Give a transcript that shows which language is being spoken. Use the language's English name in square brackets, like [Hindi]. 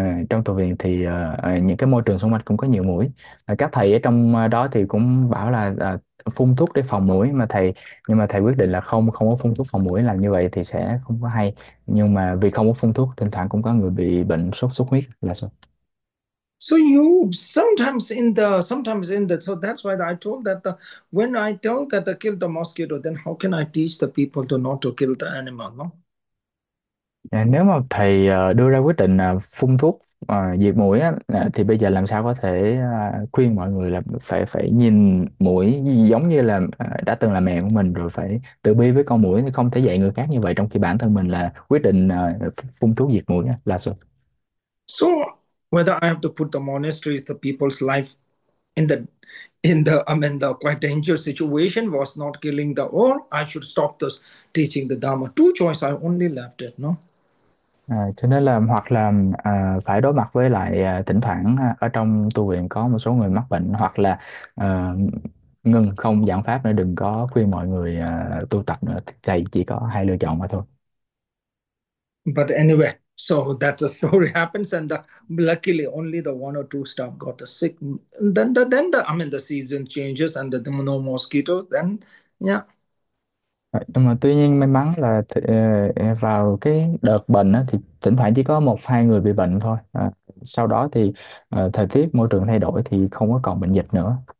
[Vietnamese] Trong thư viện thì những cái môi trường xung quanh cũng có nhiều muỗi. Các thầy ở trong đó thì cũng bảo là phun thuốc để phòng muỗi, nhưng mà thầy quyết định là không không có phun thuốc phòng muỗi, làm như vậy thì sẽ không có hay. Nhưng mà vì không có phun thuốc, thỉnh thoảng cũng có người bị bệnh sốt xuất huyết là sao? [English] So you sometimes in the so that's why I told that when I tell that I kill the mosquito, then how can I teach the people to not to kill the animal, no? [Vietnamese] Nếu mà thầy đưa ra quyết định phun thuốc diệt muỗi á, thì bây giờ làm sao có thể khuyên mọi người là phải phải nhìn muỗi giống như là đã từng là mẹ của mình, rồi phải từ bi với con muỗi, không thể dạy người khác như vậy trong khi bản thân mình là quyết định phun thuốc diệt muỗi á, là sao? [English] Whether I have to put the monasteries, the people's life in the quite dangerous situation was not killing the or I should stop this teaching the Dharma. Two choice I only left it, no? [Vietnamese] Cho nên là hoặc là phải đối mặt với lại thỉnh thoảng ở trong tu viện có một số người mắc bệnh, hoặc là ngừng không giảng pháp nữa, đừng có khuyên mọi người tu tập nữa. Thầy chỉ có hai lựa chọn mà thôi. [English] But anyway, so that's the story happens, and luckily only the one or two staff got a sick. Then the season changes, and the no mosquito. Then yeah. [Vietnamese] Nhưng mà tuy nhiên may mắn là vào cái đợt bệnh á, thì thỉnh thoảng chỉ có một hai người bị bệnh thôi. Sau đó thì thời tiết môi trường thay đổi thì không có còn bệnh dịch nữa.